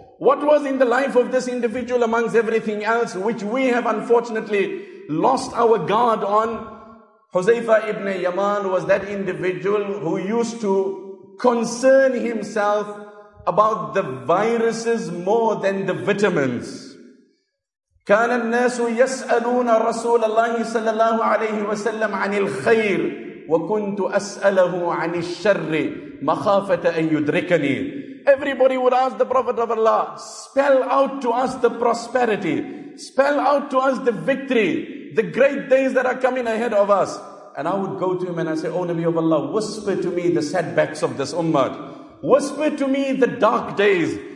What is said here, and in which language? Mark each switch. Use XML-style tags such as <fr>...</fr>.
<en>What was in the life of this individual amongst everything else, which we have unfortunately lost our guard on? Huzaifa ibn Yaman was that individual who used to concern himself about the viruses more than the vitamins.</en> <ar>كان الناس يسألون رسول الله صلى الله عليه وسلم عن الخير وكنت أسأله عن الشر مخافة أن يدركني.</ar> <en>Everybody would ask the Prophet of Allah, spell out to us the prosperity, spell out to us the victory, the great days that are coming ahead of us. And I would go to him and I say, O Nabi of Allah, whisper to me the setbacks of this ummah. Whisper to me the dark days.</en>